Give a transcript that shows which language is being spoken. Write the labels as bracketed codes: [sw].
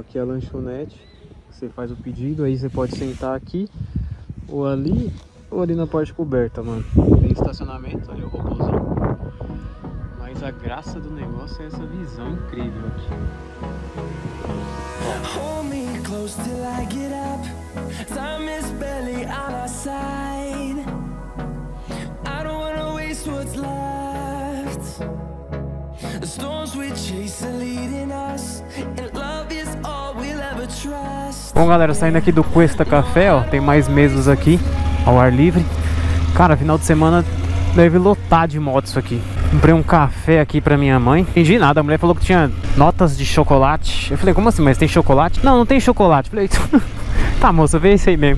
[pt] Aqui é a lanchonete. Você faz o pedido, aí você pode sentar aqui. Ou ali. Ou ali na parte coberta, mano. Tem estacionamento, olha o robôzão. Mas a graça do negócio é essa visão incrível aqui. [en] Hold me close till I get up. Time is barely on our side. I don't wanna waste what's left. The storms we chase are leading us. And love is all we'll ever trust. [pt] Bom, galera, saindo aqui do Cuesta Café, ó. Tem mais mesas aqui ao ar livre. Cara, final de semana deve lotar de motos aqui. Comprei um café aqui pra minha mãe. Não entendi nada, a mulher falou que tinha notas de chocolate. Eu falei, como assim, mas tem chocolate? Não, não tem chocolate. Falei, tá, moça, vê isso aí mesmo.